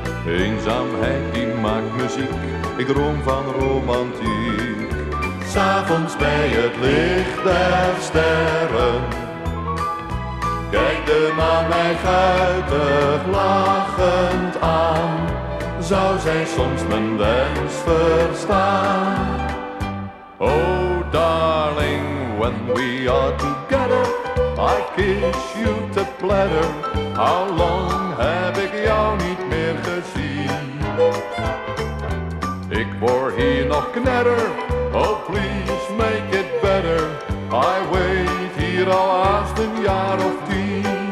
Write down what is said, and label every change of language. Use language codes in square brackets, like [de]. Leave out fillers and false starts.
[nl] Eenzaamheid die maakt muziek, ik droom van romantiek. 'S avonds bij het licht der sterren, kijk de maan mij guitig lachend aan. Zou zij soms mijn wens verstaan? [en] Oh darling, when we are together, I kiss you to pleasure. How long [nl] heb ik jou niet meer gezien? Ik word hier nog knetter. [en] Oh please make it better. I wait [nl] hier al haast een jaar of 10.